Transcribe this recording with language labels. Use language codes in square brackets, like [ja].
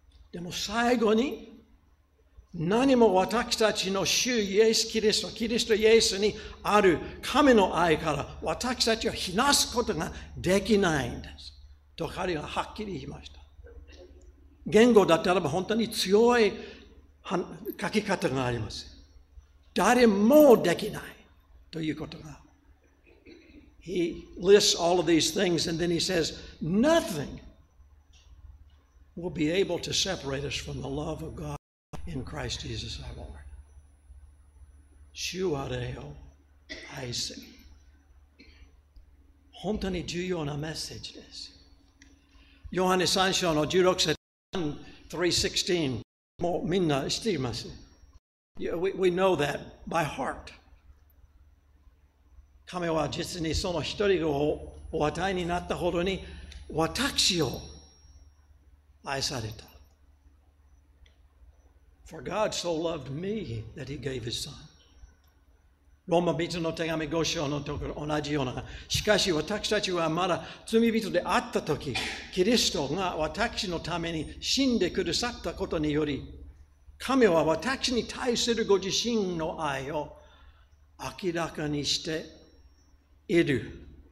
[ja] でも最後に、何も私たちの主イエス・キリスト、キリストイエスにある神の愛から私たちを避難すことができないんです。と彼ははっきり言いました。言語だったらば本当に強い書き方があります。誰もできないということが。 [en] He lists all of these things and then he says, nothing will be able to separate us from the love of God in Christ Jesus our Lord. [ja] 主我を愛す。本当に重要なメッセージです。ヨハネ3章の16節、3:16。もうみんな知っています。 [en] Yeah, we know that by heart. [ja] 神は実にその一人をお与えになったほどに私を愛された。 [en] For God so loved me that he gave his son. [ja] ローマ人の手紙5章のところ同じような。しかし私たちはまだ罪人であったとき、キリストが私のために死んでくださったことにより、神は私に対するご自身の愛を明らかにしている。